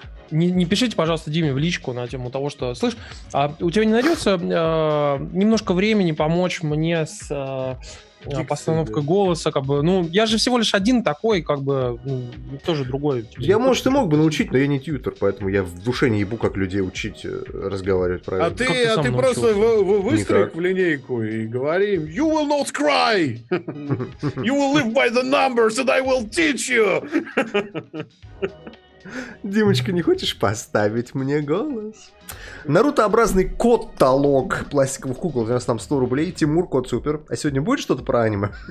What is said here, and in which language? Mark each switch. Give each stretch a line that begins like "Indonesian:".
Russian: Не пишите, пожалуйста, Диме в личку на тему того, что... Слышь, а у тебя не найдется немножко времени помочь мне с постановкой голоса? Как бы, ну, я же всего лишь один такой, как бы, ну, тоже другой. Я, может, и мог бы научить, но я не тьютор, поэтому я в душе не ебу, как людей учить разговаривать правильно. А ты просто выстроил в линейку и говори им
English: «You will not cry! You will live by the numbers and I will teach you!»
Russian: Димочка, не хочешь поставить мне голос? Нарутообразный кот-толок пластиковых кукол. У нас там 100 рублей. Тимур, кот супер. А сегодня будет что-то про аниме?